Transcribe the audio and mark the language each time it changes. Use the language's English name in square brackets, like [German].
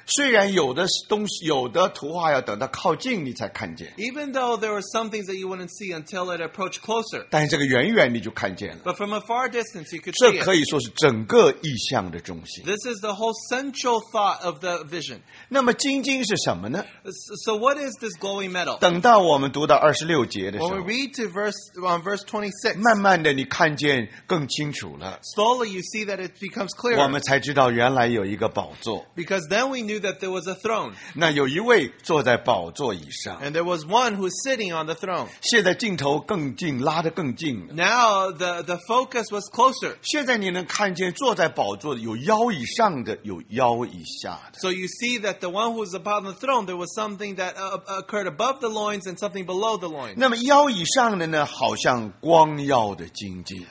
[Chinese] 虽然有的东西，有的图画要等到靠近你才看见。 [English] Even though there were some things that you wouldn't see until it approached closer. [Chinese] 但是这个远远你就看见了。 [English] But from a far distance, you could see it. [Chinese] 这可以说是整个意象的。 [English] This is the whole central thought of the vision. [Chinese] 那么金晶是什么呢？ [English] So what is this glowing metal? [Chinese] 等到我们读到二十六节的时候， [English] When we read to verse 26, [Chinese] 慢慢的你看见更清楚了。 [English] Slowly you see that it becomes clearer. [Chinese] 我们才知道原来有一个宝座。 [English] Because then we knew that there was a throne. [Chinese] 那有一位坐在宝座以上。 [English] And there was one who was sitting on the throne. [Chinese] 现在镜头更近，拉得更近了。 [English] Now the focus was closer. [Chinese] 现在你能看见坐在宝座有腰以上的，有腰以下的。 [English] So you see that the one who was upon the throne, there was something that occurred above the loins and something below the loins. [Chinese] 那么腰以上的呢，好像光耀的金晶。